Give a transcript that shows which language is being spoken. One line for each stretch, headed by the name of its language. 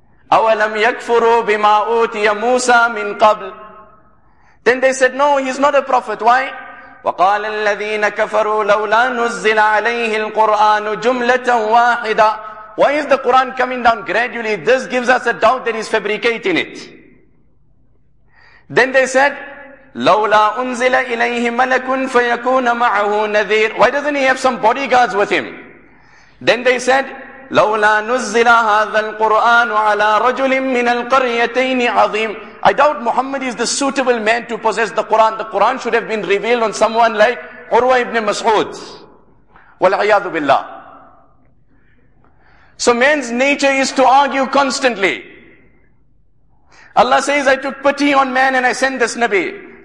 Arabic: أَوَلَمْ يَكْفُرُوا بِمَا أُوْتِيَ مُوسَى مِنْ قَبْلِ.
English: Then they said, no, he's not a prophet. Why?
Arabic: وَقَالَ الَّذِينَ كَفَرُوا لَوْلَا نُزِّلَ عَلَيْهِ الْقُرْآنُ جُمْلَةً وَاحِدًا.
English: Why is the Quran coming down gradually? This gives us a doubt that he's fabricating it. Then they said,
Arabic: لَوْلَا أُنزِلَ إِلَيْهِ مَلَكٌ فَيَكُونَ مَعَهُ نَذِيرٌ.
English: Why doesn't he have some bodyguards with him? Then they said,
Arabic: لَوْلَا نُزِّلَ هَذَا الْقُرْآنُ عَلَىٰ رَجُلٍ مِّنَ الْقَرْيَتَيْنِ عَظِيمٌ.
English: I doubt Muhammad is the suitable man to possess the Quran. The Quran should have been revealed on someone like Urwa ibn Mas'ud.
Arabic: وَالْعِيَاذُ بِاللَّهِ.
English: So man's nature is to argue constantly. Allah says, I took pity on man and I sent this Nabi.